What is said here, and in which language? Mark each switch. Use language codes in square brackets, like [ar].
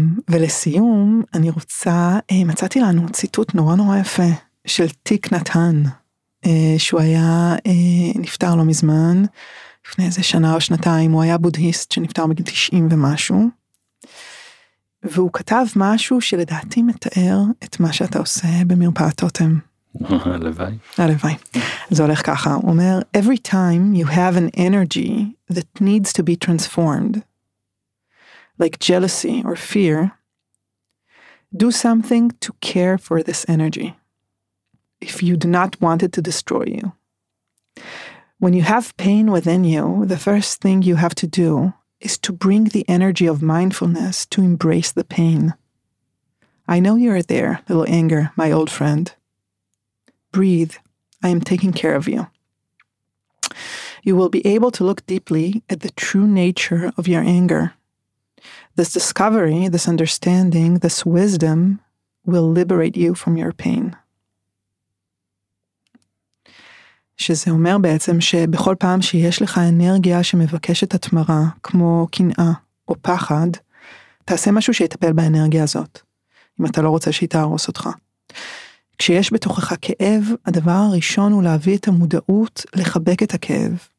[he] ולסיום, אני רוצה, מצאתי לנו ציטוט נורא נורא יפה, של תיק נתן, שהוא היה, נפטר לא מזמן, לפני איזה שנה או שנתיים, הוא היה בודהיסט שנפטר בגיל 90 ומשהו, והוא כתב משהו שלדעתי מתאר את מה שאתה עושה במרפאת טוטם. הלוואי. הלוואי. זה הולך ככה, הוא אומר, [en] every time you have an energy that needs to be transformed, like jealousy or fear, do something to care for this energy, if you do not want it to destroy you. When you have pain within you, the first thing you have to do is to bring the energy of mindfulness to embrace the pain. I know you are there, little anger, my old friend. Breathe. I am taking care of you. You will be able to look deeply at the true nature of your anger. This discovery, this understanding, this wisdom will liberate you from your pain. [he] שזה אומר בעצם שבכל פעם שיש לך אנרגיה שמבקשת התמרה, כמו קנאה או פחד, תעשה משהו שיטפל באנרגיה הזאת, אם אתה לא רוצה שהיא תהרוס אותך. כשיש בתוכך כאב, הדבר הראשון הוא להביא את המודעות לחבק את הכאב.